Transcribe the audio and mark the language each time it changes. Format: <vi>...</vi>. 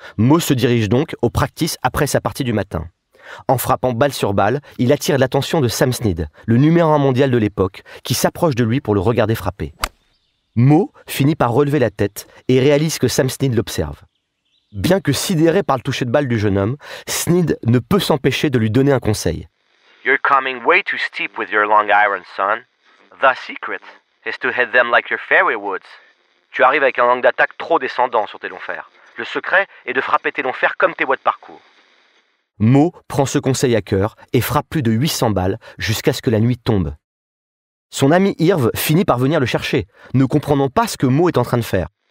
<fr>Mo se dirige donc au practice après sa partie du matin. En frappant balle sur balle, il attire l'attention de Sam Snead, le numéro 1 mondial de l'époque, qui s'approche de lui pour le regarder frapper. Mo finit par relever la tête et réalise que Sam Snead l'observe. Bien que sidéré par le toucher de balle du jeune homme, Snead ne peut s'empêcher de lui donner un conseil.</fr> <en>You're coming way too steep with your long iron, son. The secret is to hit them like your fairway woods.</en> <fr>Tu arrives avec un angle d'attaque trop descendant sur tes longs fers. Le secret est de frapper tes longs fers comme tes voies de parcours. Mo prend ce conseil à cœur et frappe plus de 800 balles jusqu'à ce que la nuit tombe. Son ami Irv finit par venir le chercher, ne comprenant pas ce que Mo est en train de faire.</fr>